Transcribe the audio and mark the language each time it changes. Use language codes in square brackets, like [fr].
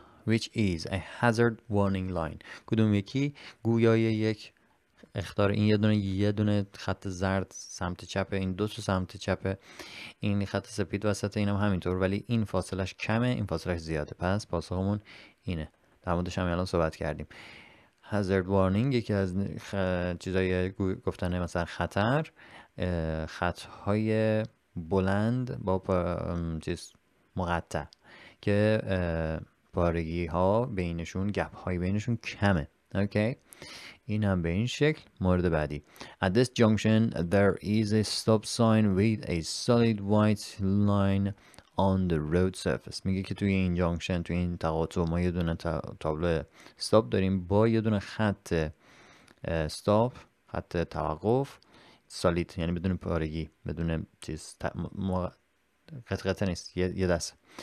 [en] which is a hazard warning line [fa] کدوم یکی گویای یک اخطار این یه دونه خط زرد سمت چپ این دو تا سمت چپ این خط سپید وسط اینم همینطور ولی این فاصلش کمه این فاصلش زیاده پس پاسخمون اینه در موردش هم الان صحبت کردیم hazard warning یکی از چیزای گفتن مثلا خطر خطهای بلند با چیز مقطع که پارگی ها بینشون گپ های بینشون کمه Okay. این هم به این شکل. مورد بعدی. [en] At this junction, there is a stop sign with a solid white line on the road surface. [fa] میگه که توی این جانکشن، توی این تقاطع، ما یه دونه تابلو استاپ داریم با یه دونه خط استاپ، خط توقف سالید، یعنی بدون پارگی، بدون چیز قطقه نیست، یه دست.